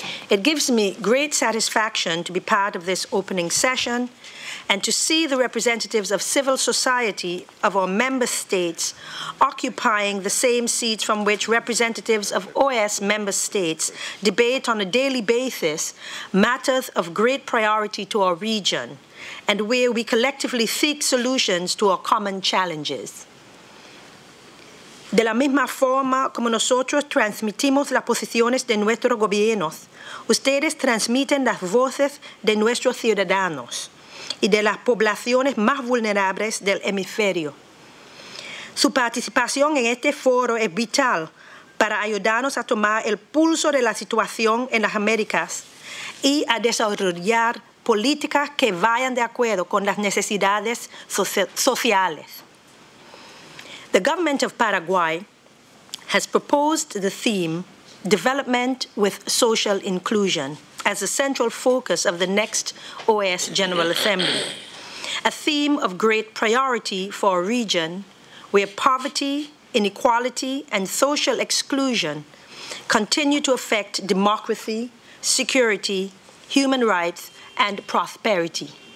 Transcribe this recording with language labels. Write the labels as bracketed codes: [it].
[en] It gives me great satisfaction to be part of this opening session and to see the representatives of civil society of our member states occupying the same seats from which representatives of OAS member states debate on a daily basis matters of great priority to our region and where we collectively seek solutions to our common challenges. [es] De la misma forma como nosotros transmitimos las posiciones de nuestros gobiernos, ustedes transmiten las voces de nuestros ciudadanos y de las poblaciones más vulnerables del hemisferio. Su participación en este foro es vital para ayudarnos a tomar el pulso de la situación en las Américas y a desarrollar políticas que vayan de acuerdo con las necesidades sociales. [en] The government of Paraguay has proposed the theme Development with Social Inclusion as a central focus of the next OAS General Assembly, a theme of great priority for a region where poverty, inequality, and social exclusion continue to affect democracy, security, human rights, and prosperity.